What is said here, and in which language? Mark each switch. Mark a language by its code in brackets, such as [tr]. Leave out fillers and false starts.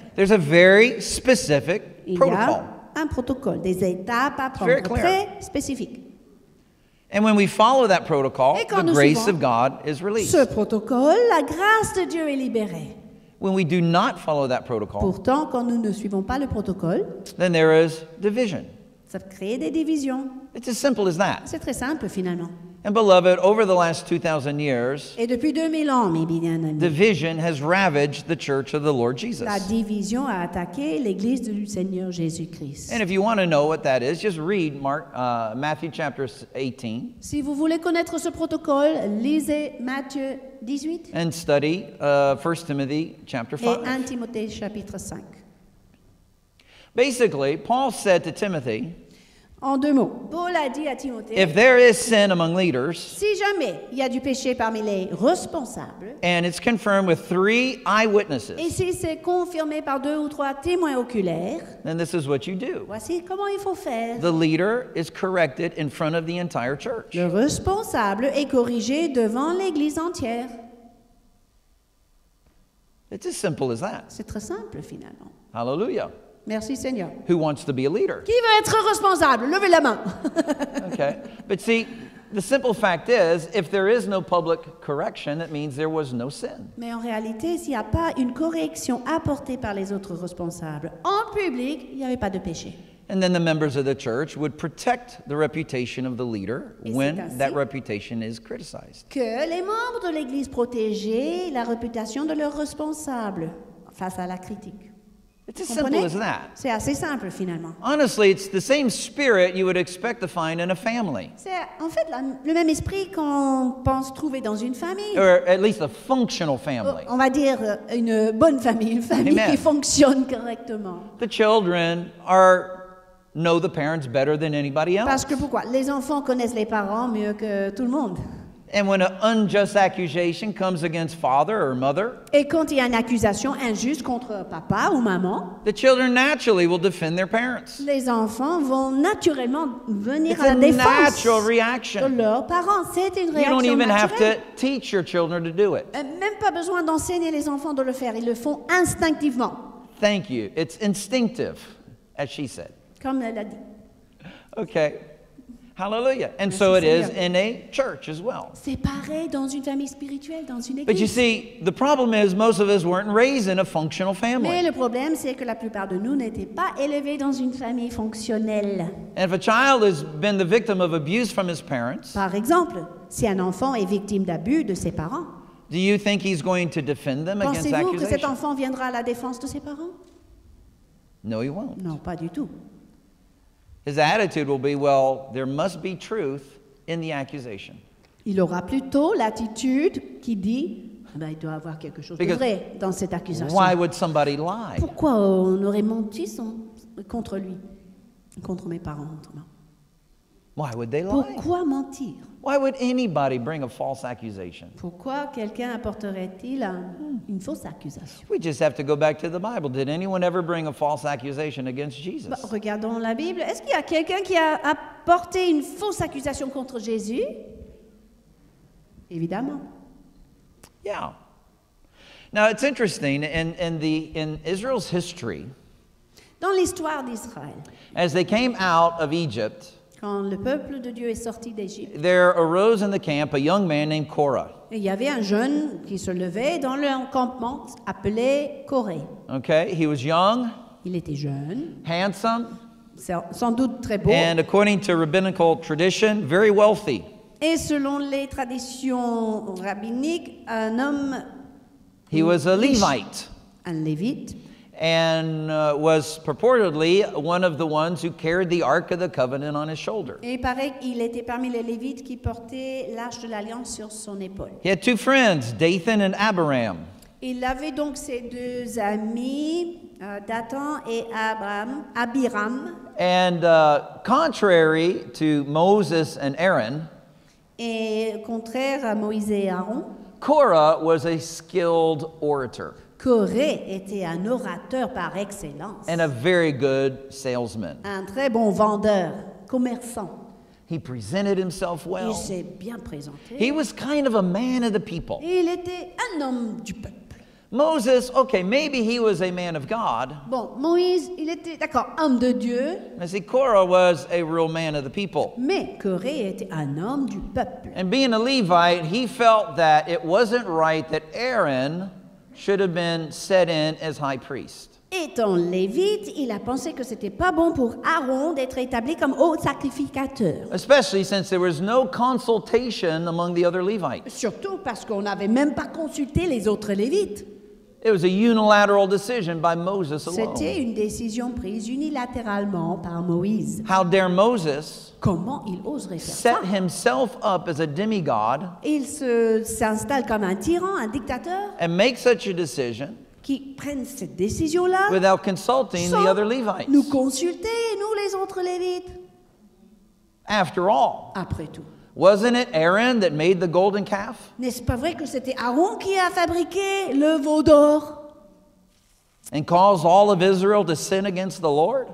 [en] there's a very specific protocol. [fr] Il y a un protocole, des étapes à prendre, très spécifiques. [en] And when we follow that protocol, the grace of God is released. [fr] Ce protocole, la grâce de Dieu est libérée. [en] When we do not follow that protocol, [fr] pourtant, quand nous ne suivons pas le protocole, [en] then there is division. [fr] Ça crée des divisions. [en] It's as simple as that. [fr] C'est très simple, finalement. [en] And beloved, over the last 2,000 years, [fr] et depuis 2000 ans, mes bien-aimés, [en] division has ravaged the church of the Lord Jesus. [fr] La division a attaqué l'église du Seigneur Jésus-Christ. [en] And if you want to know what that is, just read Matthew chapter 18. [fr] Si vous voulez connaître ce protocole, lisez Matthieu 18. [en] And study 1 Timothy chapter 5. [fr] Et 1 Timothée chapitre 5. [en] Basically, Paul said to Timothy, [fr] En deux mots, Paul a dit à Timothée, [en] if there is sin among leaders, [fr] si jamais il y a du péché parmi les responsables, [en] and it's confirmed with three eyewitnesses, [fr] et si c'est confirmé par deux ou trois témoins oculaires, [en] then this is what you do. [fr] Voici comment il faut faire. [en] The leader is corrected in front of the entire church. [fr] Le responsable est corrigé devant l'église entière. [en] It's as simple as that. [fr] C'est très simple, finalement. [en] Hallelujah. [fr] Merci, Seigneur. [en] Who wants to be a leader? [fr] Qui veut être responsable? Levez la main. [en] Okay. But see, the simple fact is, if there is no public correction, that means there was no sin. [fr] Mais en réalité, s'il n'y a pas une correction apportée par les autres responsables, en public, il n'y avait pas de péché. [en] And then the members of the church would protect the reputation of the leader when that reputation is criticized. [fr] Que les membres de l'église protégeaient la réputation de leur responsable face à la critique. [en] It's as simple as that. [fr] C'est assez simple, finalement. [en] Honestly, it's the same spirit you would expect to find in a family. [fr] C'est en fait le même esprit qu'on pense trouver dans une famille. [en] Or at least a functional family. [fr] On va dire une bonne famille, une famille qui fonctionne correctement. [en] The children are know the parents better than anybody else. [fr] Parce que pourquoi? Les enfants connaissent les parents mieux que tout le monde. [en] And when an unjust accusation comes against father or mother, [fr] et quand il y a une accusation injuste contre papa ou maman, [en] the children naturally will defend their parents. [fr] Les enfants vont naturellement venir [en] it's [fr] à la défense [en] natural reaction. [fr] De leurs parents. C'est une réaction naturelle. [en] You don't even [fr] naturelle. [en] Have to teach your children to do it. [fr] Même pas besoin d'enseigner les enfants de le faire. Ils le font instinctivement. [en] Thank you. It's instinctive, as she said. [fr] Comme elle a dit. [en] Okay. Hallelujah. And [fr] merci [en] so it Seigneur. Is in a church as well. [fr] C'est pareil dans une famille spirituelle, dans une église. [en] But you see, the problem is most of us weren't raised in a functional family. [fr] Mais le problème, c'est que la plupart de nous n'étaient pas élevés dans une famille fonctionnelle. [en] And if a child has been the victim of abuse from his parents, [fr] par exemple, si un enfant est victime d'abus de ses parents, [en] do you think he's going to defend them against accusations? [fr] Pensez-vous que cet enfant viendra à la défense de ses parents? [en] No, he won't. [fr] Non, pas du tout. [en] His attitude will be, well, there must be truth in the accusation. [fr] Il aura plutôt l'attitude qui dit, ben, il doit avoir quelque chose [en] because [fr] de vrai dans cette accusation. [en] Why would somebody lie? [fr] Pourquoi on aurait menti contre lui, contre mes parents? [en] Why would they lie? [fr] Pourquoi mentir? [en] Why would anybody bring a false accusation? [fr] Pourquoi quelqu'un apporterait-il une fausse accusation? [en] We just have to go back to the Bible. Did anyone ever bring a false accusation against Jesus? [fr] Bah, regardons la Bible. Est-ce qu'il y a quelqu'un qui a apporté une fausse accusation contre Jésus? Évidemment. [en] Yeah. Now it's interesting in Israel's history. [fr] Dans l'histoire d'Israël. [en] As they came out of Egypt. [fr] Quand le peuple de Dieu est sorti d'Égypte. [en] There arose in the camp a young man named Korah. [fr] Et il y avait un jeune qui se levait dans le campement appelé Corée. [en] Okay, he was young. [fr] Il était jeune. [en] Handsome. [fr] Sans doute très beau. [en] And according to rabbinical tradition, very wealthy. [fr] Et selon les traditions rabbiniques, un homme. [en] He was a Levite. [fr] Un Lévite. [en] And was purportedly one of the ones who carried the Ark of the Covenant on his shoulder. [fr] Et paraît qu'il était parmi les Lévites qui portaient l'Arche de l'Alliance sur son épaule. [en] He had two friends, Dathan and Abiram. [fr] Il avait donc ses deux amis, Dathan et Abiram. [en] And contrary to Moses and Aaron, [fr] et contraire à Moïse et Aaron, [en] Korah was a skilled orator. [fr] Corée était un orateur par excellence. [en] And a very good salesman. [fr] Un très bon vendeur, commerçant. [en] He presented himself well. [fr] Il s'est bien présenté. [en] He was kind of a man of the people. [fr] Il était un homme du peuple. [en] Moses, okay, maybe he was a man of God. [fr] Bon, Moïse, il était d'accord, homme de Dieu. [en] I see, Korah was a real man of the people. [fr] Mais Corée était un homme du peuple. [en] And being a Levite, he felt that it wasn't right that Aaron should have been set in as high priest. [fr] Étant lévite, il a pensé que c'était pas bon pour Aaron d'être établi comme haut sacrificateur. [en] Especially since there was no consultation among the other Levites. [fr] Surtout parce qu'on n'avait même pas consulté les autres lévites. [en] It was a unilateral decision by Moses alone. [fr] C'était une décision prise unilatéralement par Moïse. [en] How dare Moses? [fr] Comment il oserait faire [en] set [fr] ça? [en] Himself up as a demigod? [fr] Il s'installe comme un tyran, un dictateur. [en] And make such a decision? [fr] Qui prenne cette décision-là? [en] Without consulting the other Levites. [fr] Nous consulter nous les autres lévites. [en] After all, [fr] après tout, [en] wasn't it Aaron that made the golden calf? [fr] N'est-ce pas vrai que c'était Aaron qui a fabriqué le veau d'or? [en] And caused all of Israel to sin against the Lord?